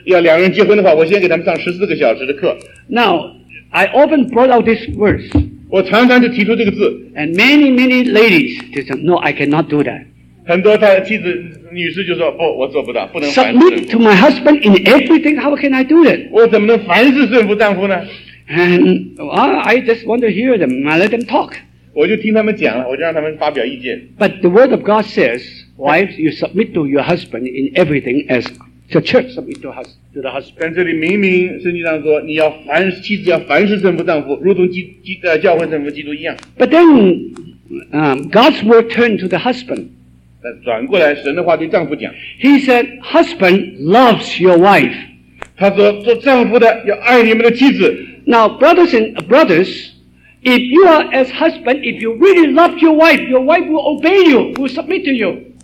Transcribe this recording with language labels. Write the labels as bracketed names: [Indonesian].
[Chinese] 我不知道你们教会怎么样,我们教会里面若是要两人结婚的话,我先给他们上14个小时的课。 [English] Now, I often brought out this verse. [Chinese] 我常常就提出这个字。 [English] And many, many ladies just said, no, I cannot do that. [Chinese] 很多妻子,女士就说,不,我做不到,不能凡事。 [English] Submit to my husband in everything, how can I do that? [Chinese] 我怎么能凡事顺服丈夫呢? [English] And I just want to hear them, I let them talk. [Chinese] 我就听他们讲了,我就让他们发表意见。 [English] But the word of God says, wives, you submit to your husband in everything as the church submit to the husband. [Chinese] 但这里明明圣经上说,你要凡,妻子要凡事顺服丈夫,如同教会顺服基督一样。 [English] But then, God's word turned to the husband. [Chinese] 转过来,神的话对丈夫讲。 [English] He said, husband loves your wife. [Chinese] 他说,做丈夫的要爱你们的妻子。 [English] Now, brothers and brothers, if you are as husband, if you really love your wife will obey you, will submit to you.